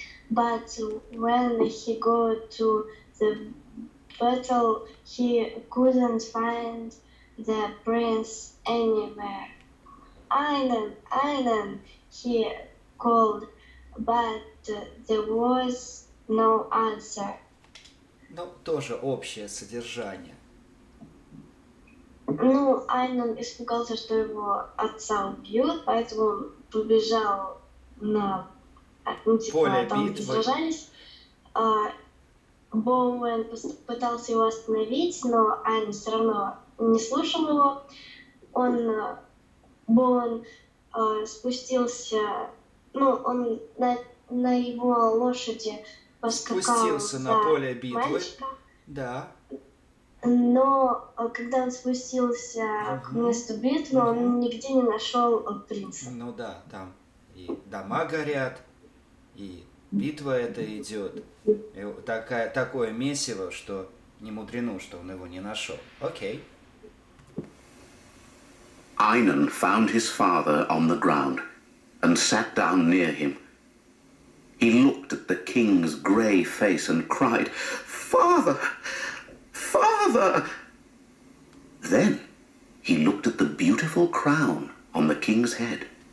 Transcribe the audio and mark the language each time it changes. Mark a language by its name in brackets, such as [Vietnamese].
[English] But when he got to the battle, he couldn't find the prince anywhere. "Einon, Einon," he called, but there was no answer. [Russian] Ну, тоже общее содержание. Ну, Айнон испугался, что его отца убьют, поэтому он побежал на поле битвы. Боуэн пытался его остановить, но Айнон все равно не слушал его. Боуэн спустился на его лошади поскакал. Спустился на поле битвы. Мальчика. Да. Но когда он спустился к месту битвы, он нигде не нашел принца. Ну да, там и дома горят, и битва эта идет. И такое месиво, что не мудрено, что он его не нашел. Окей. [English] Einon found his father on the ground and sat down near him. He looked at the king's grey face and cried, "Father! Father!" Then he looked at the beautiful crown on the king's head.